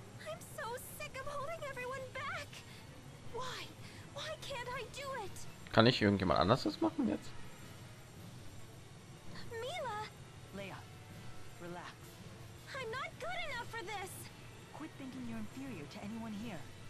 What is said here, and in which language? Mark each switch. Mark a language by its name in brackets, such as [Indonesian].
[English] I'm so sick of holding everyone back. Why? Why can't I do it? [German] Kann ich irgendjemand anders das machen jetzt? [English] Mila, Leia, relax. I'm not good enough for this. Quit thinking you're inferior to anyone here.